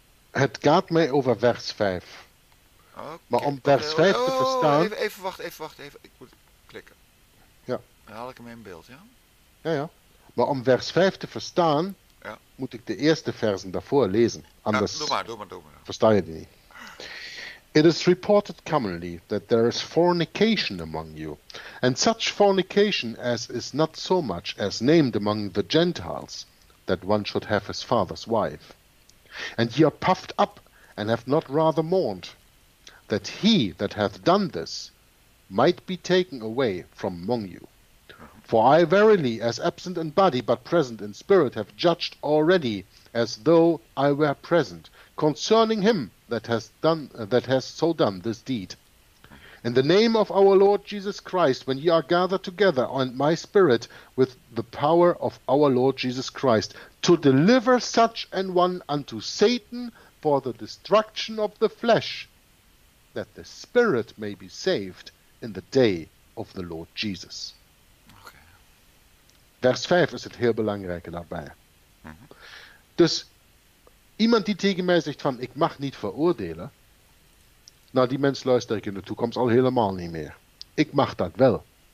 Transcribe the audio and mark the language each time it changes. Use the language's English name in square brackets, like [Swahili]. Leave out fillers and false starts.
[Dutch] Het gaat mij over vers 5. Okay. Maar om vers 5 te verstaan. Even wachten. Ik moet klikken. Ja. Dan haal ik hem in beeld, ja. Ja, ja. Maar om vers 5 te verstaan, ja, moet ik de eerste versen daarvoor lezen. Anders ja, doe maar. Versta je die niet. [English] It is reported commonly that there is fornication among you, and such fornication as is not so much as named among the Gentiles, that one should have his father's wife. And ye are puffed up, and have not rather mourned, that he that hath done this might be taken away from among you. For I verily, as absent in body, but present in spirit, have judged already, as though I were present, concerning him that has so done this deed. In the name of our Lord Jesus Christ, when ye are gathered together, and my spirit with the power of our Lord Jesus Christ, to deliver such an one unto Satan for the destruction of the flesh, that the spirit may be saved in the day of the Lord Jesus. Okay. [Dutch] Vers 5 is het heel belangrijke daarbij. Dus iemand die tegen mij zegt van ik mag niet veroordelen, nou die mens luister ik in de toekomst al helemaal niet meer. Ik mag dat wel.